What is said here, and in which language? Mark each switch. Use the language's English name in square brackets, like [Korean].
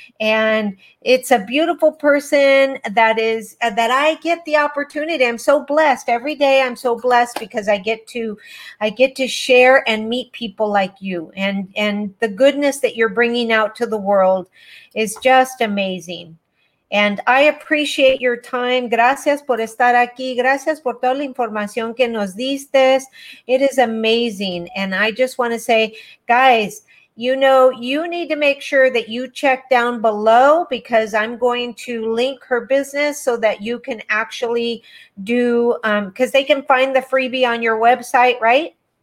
[English] And it's a beautiful person that I get the opportunity. I'm so blessed. Every day I'm so blessed because I get to share and meet people like you, and the goodness that you're bringing out to the world is just amazing. And I appreciate your time. [Spanish] Gracias por estar aquí. Gracias por toda la información que nos diste. [English] It is amazing. And I just want to say, guys, you know, you need to make sure that you check down below, because I'm going to link her business so that you can actually do, because they can find the freebie on your website, right?